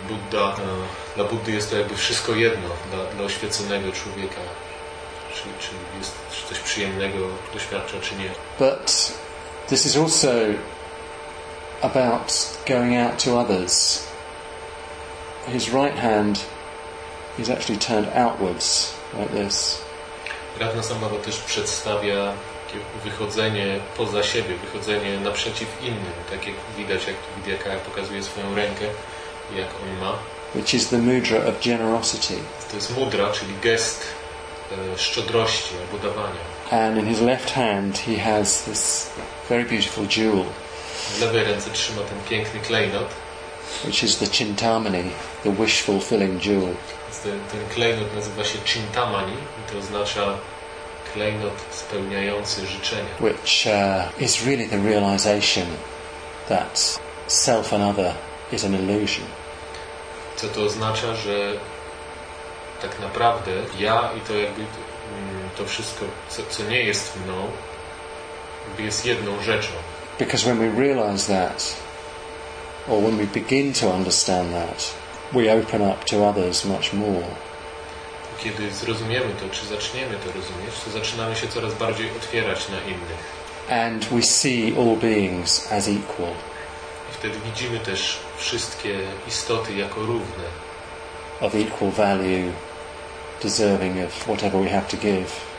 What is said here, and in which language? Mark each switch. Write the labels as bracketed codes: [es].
[pl] Buddha, dla Buddy jest to jakby wszystko jedno, dla oświeconego człowieka, czy jest coś przyjemnego doświadcza, czy nie. [en] But this is also about going out to others. His right hand is actually turned outwards like this. [pl] Ratnasambhava też przedstawia wychodzenie poza siebie, wychodzenie naprzeciw innym, tak jak widać, jak Vidyaka pokazuje swoją rękę, jak on ma. [en] Which is the mudra of generosity. [pl] To jest mudra, czyli gest szczodrości albo dawania. [en] And in his left hand he has this very beautiful jewel. [pl] W lewej ręce trzyma ten piękny klejnot, [en] which is the Chintamani, the wish fulfilling jewel. [pl] Ten klejnot nazywa się Chintamani, to oznacza klejnot spełniający życzenia. [en] Which is really the realization that self and other is an illusion. [pl] Co to oznacza, że tak naprawdę ja i to jakby to wszystko, co nie jest mną, jest jedną rzeczą. [en] Because when we realize that, or when we begin to understand that, we open up to others much more. [pl] Kiedy zrozumiemy to, czy zaczniemy to rozumieć, to zaczynamy się coraz bardziej otwierać na innych. [en] And we see all beings as equal. [pl] I wtedy widzimy też wszystkie istoty jako równe. [en] Of equal value, deserving of whatever we have to give.